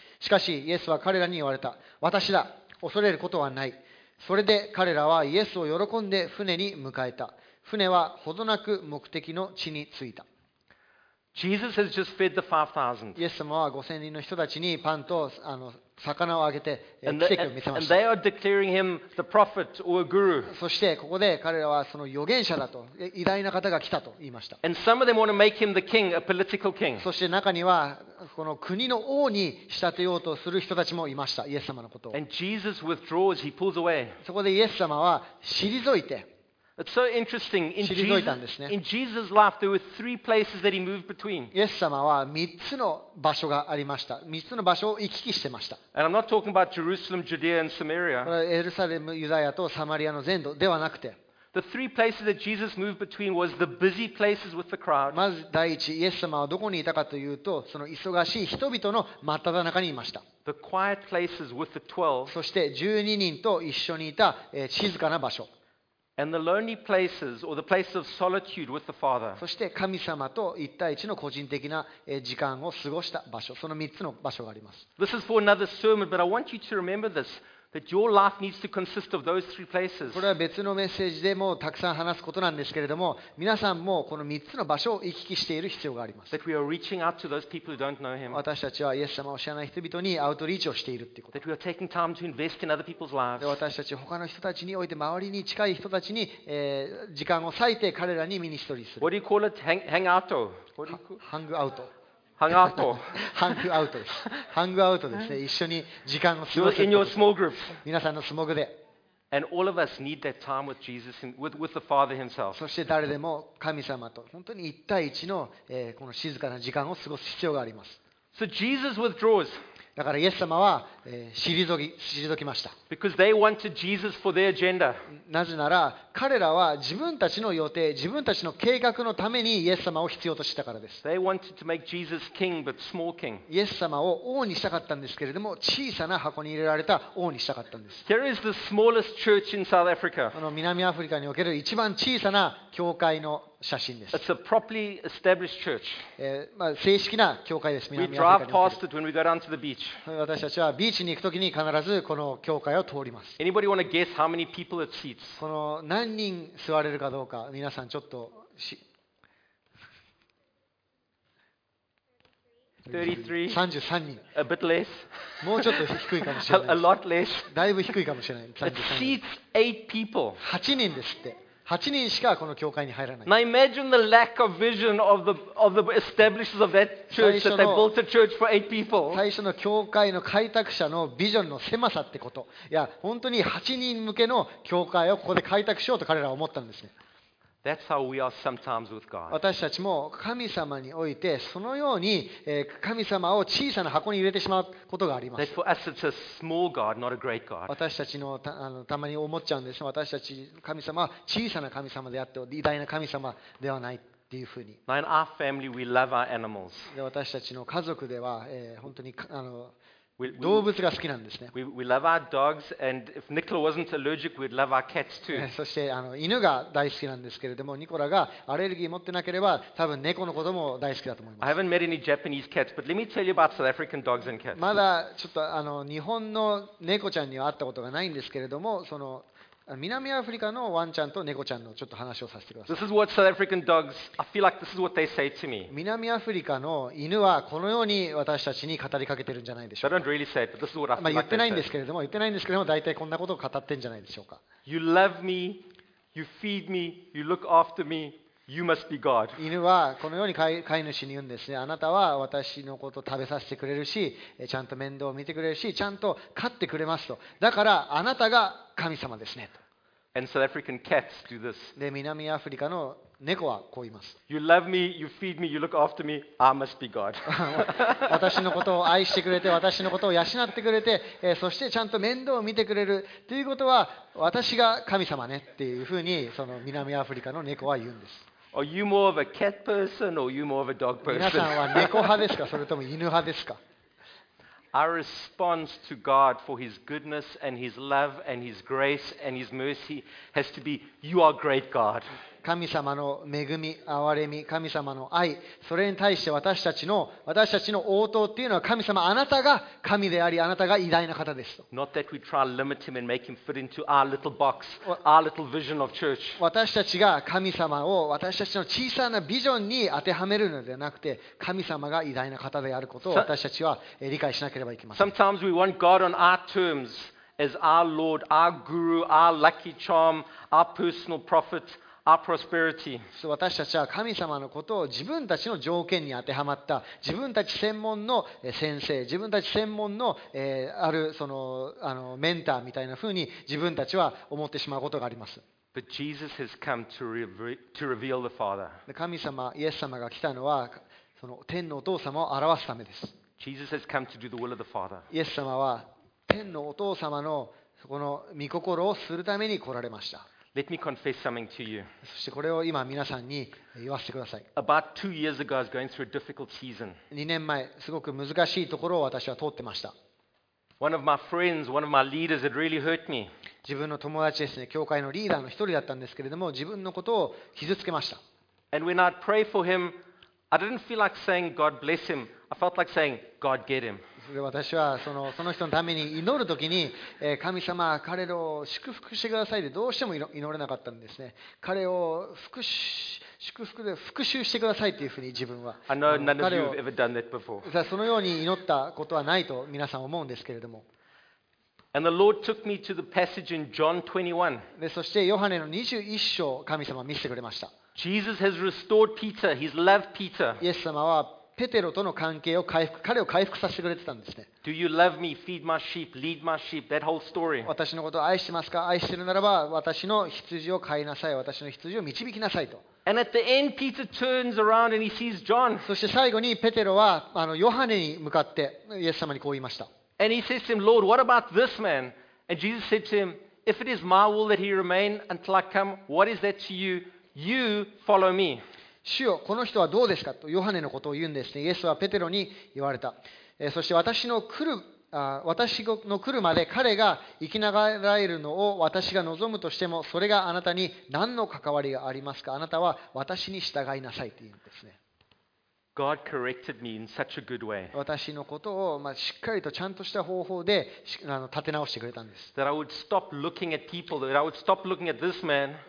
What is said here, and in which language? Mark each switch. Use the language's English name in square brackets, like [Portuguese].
[Japanese] しかしイエスは彼らに言われた。私だ、恐れることはない。それで彼らはイエスを喜んで船に迎えた。船はほどなく目的の地に着いた。 [English] Jesus has just fed the 5,000. [Japanese] イエス様は5000人の人たちにパンと魚をあげて奇跡を見せました。 [English] And they are declaring him the prophet or guru. [Japanese] そしてここで彼らはその預言者だと、偉大な方が来たと言いました。 [English] And some of them want to make him the king, a political king. [Japanese] そして中にはこの国の王に仕立てようとする人たちもいました、イエス様のことを。 [English] And Jesus withdraws, he pulls away. [Japanese] そこでイエス様は退いて、 [English] It's so interesting. In Jesus' life, there were three places that he moved between. [Japanese] イエス様は3つの場所がありました。3つの場所を行き来してました。 [English] And I'm not talking about Jerusalem, Judea, and Samaria. [Japanese] エルサレム、ユダヤとサマリアの全土ではなくて、 [English] The three places that Jesus moved between was the busy places with the crowd. [Japanese] まず第一、イエス様はどこにいたかというと、その忙しい人々の真っ只中にいました。 [English] The quiet places with the 12. [Japanese] そして12人と一緒にいた、静かな場所。 [English] And the lonely places, or the places of solitude with the Father. [Japanese] そして神様と一対一の個人的な時間を過ごした場所、その3つの場所があります。 [English] This is for another sermon, but I want you to remember this. That your life needs to consist of those three places. [Japanese] これは別のメッセージでもたくさん話すことなんですけれども、皆さんもこの3つの場所を行き来している必要があります。 [English] That we are reaching out to those people who don't know him. [Japanese] 私たちはイエス様を知らない人々にアウトリーチをしているということ。 [English] That we are taking time to invest in other people's lives. [Japanese] 私たち他の人たちにおいて周りに近い人たちに、時間を割いて彼らにミニストリーする。 [English] What do you call it? Hang out. Hang out. Hangout. Hangout. Hangout. [Japanese] ですね。一緒に時間を過ごす。 [English] In your small group. [Japanese] 皆さんのスモグで。 [English] And all of us need that time with Jesus, with the Father Himself. [Japanese] そして誰でも神様と本当に一対一の、この静かな時間を過ごす必要があります。 [English] So Jesus withdraws. [Japanese] だからイエス様は、退きました。 [English] Because they wanted Jesus for their agenda. [Japanese] なぜなら彼らは自分たちの予定、自分たちの計画のためにイエス様を必要としたからです。 [English] They wanted to make Jesus king, but small king. [Japanese] イエス様を王にしたかったんですけれども、小さな箱に入れられた王にしたかったんです。 [English] There is the smallest church in South Africa. [Japanese] この南アフリカにおける一番小さな教会の写真です。 [English] It's a properly established church. [Japanese] 正式な教会です。 [English] We drive past it when we go down to the beach. [Japanese] 私たちはビーチに行くときに必ずこの教会を通ります。 [English] Anybody want to guess how many people it seats? [Japanese] この何人座れるかどうか皆さんちょっと 33人 [English] A bit less. [Japanese] もうちょっと低いかもしれない [English] A lot less. [Japanese] だいぶ低いかもしれない [English] It seats 8 people [Japanese] 8人ですって8人しかこの教会に入らない [English] Now imagine the lack of vision of the establishers of that church that they built a church for 8 people [Japanese] 最初の教会の開拓者のビジョンの狭さってこといや本当に8人向けの教会をここで開拓しようと彼らは思ったんですね [English] That's how we are sometimes with God. [Japanese] 私たちも神様においてそのように神様を小さな箱に入れてしまうことがあります。 [English] That for us it's a small God, not a great God. [Japanese] 私たちの たまに思っちゃうんですが、私たち神様は小さな神様であって偉大な神様ではないっていうふうに。 [English] Now in our family, we love our animals. [Japanese] 私たちの家族では、本当に動物が好きなんですね。 [English] We love our dogs, and if Nicola wasn't allergic, we'd love our cats too. [Japanese] そして犬が大好きなんですけれども、ニコラがアレルギー持ってなければ、多分猫のことも大好きだと思います。 [English] I haven't met any Japanese cats, but let me tell you about South African dogs and cats. [Japanese] まだちょっと日本の猫ちゃんには会ったことがないんですけれども、その南アフリカのワンちゃんと猫ちゃんのちょっと話をさせてください。 [English] This is what South African dogs. I feel like this is what they say to me. [Japanese] 南アフリカの犬はこのように私たちに語りかけてるんじゃないでしょうか。 [English] I don't really say it, but this is what I feel like. [Japanese] 言ってないんですけれども、言ってないんですけれども、大体こんなことを語ってるんじゃないでしょうか。 [English] You love me, you feed me, you look after me. You must be God. [Japanese] 犬はこのように飼い主に言うんですね。あなたは私のことを食べさせてくれるし、ちゃんと面倒を見てくれるし、ちゃんと飼ってくれますと。だからあなたが神様ですねと。 [English] And South African cats do this. [Japanese] で、南アフリカの猫はこう言います。 [English] You love me, you feed me, you look after me. I must be God. [Japanese] 私のことを愛してくれて、私のことを養ってくれて、そしてちゃんと面倒を見てくれるということは、私が神様ねっていうふうにその南アフリカの猫は言うんです。 [English] Are you more of a cat person or you more of a dog person? [Japanese] 皆さんは猫派ですか、それとも犬派ですか？ [English] Our response to God for His goodness and His love and His grace and His mercy has to be, You are great God. [Japanese] 神様の恵み、憐れみ、神様の愛、それに対して私たちの応答っていうのは、神様、あなたが神であり、あなたが偉大な方ですと。 [English] Not that we try to limit Him and make Him fit into our little box, our little vision of church. [Japanese] 私たちが神様を私たちの小さなビジョンに当てはめるのではなくて、神様が偉大な方であることを私たちは理解しなければいけません。 [English] Sometimes we want God on our terms as our Lord, our Guru, our lucky charm, our personal prophet. Our prosperity. [Japanese] 私たちは神様のことを自分たちの条件に当てはまった自分たち専門の先生自分たち専門の、あるあのメンターみたいな風に自分たちは思ってしまうことがあります [English] But Jesus has come to reveal the Father. [Japanese] 神様イエス様が来たのはその天のお父様を表すためです [English] Jesus has come to do the will of the Father. [Japanese] イエス様は天のお父様のこの御心をするために来られました [English] Let me confess something to you. [Japanese] そしてこれを今皆さんに言わせてください。 [English] About two years ago, I was going through a difficult season. [Japanese] 2年前、すごく難しいところを私は通ってました。 [English] One of my friends, one of my leaders had really hurt me. [Japanese] 自分の友達ですね、教会のリーダーの一人だったんですけれども、自分のことを傷つけました。 [English] And when I'd pray for him, I didn't feel like saying, God bless him. I felt like saying, God get him. [Japanese] で私はその人のために祈るときに、神様彼を祝福してくださいでどうしても祈れなかったんですね。彼を祝福で復讐してくださいというふうに自分は。 [English] I know none of you have ever done that before. [Japanese] そのように祈ったことはないと皆さん思うんですけれども。 [English] And the Lord took me to the passage in John 21. [Japanese] でそしてヨハネの21章を神様は見せてくれました。 [English] Jesus has restored Peter. He's loved Peter. [Japanese] イエス様はペテロとの関係を回復、彼を回復させてくれてたんですね。 [English] Do you love me? Feed my sheep. Lead my sheep. That whole story. [Japanese] 私のことを愛してますか？愛してるならば私の羊を飼いなさい。私の羊を導きなさいと。 [English] And at the end, Peter turns around and he sees John. [Japanese] そして最後にペテロはヨハネに向かってイエス様にこう言いました。 [English] And he says to him, Lord, what about this man? And Jesus said to him, If it is my will that he remain until I come, what is that to you? You follow me. [Japanese] 主よ、この人はどうですかとヨハネのことを言うんですね。イエスはペテロに言われた。そして私の来るまで彼が生きながらえるのを私が望むとしても、それがあなたに何の関わりがありますか？あなたは私に従いなさいと言うんですね。 [English] God corrected me in such a good way. [Japanese] 私のことをしっかりとちゃんとした方法で立て直してくれたんです。 [English] That I would stop looking at people, that I would stop looking at this man.